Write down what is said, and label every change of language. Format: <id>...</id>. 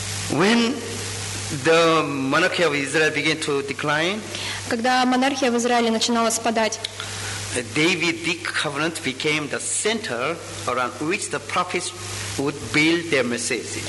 <en>When the monarchy of Israel began to decline.</en> <ru>Когда монархия в Израиле начинала спадать.</ru> <en>The Davidic covenant became the center around which the prophets would build their message.</en>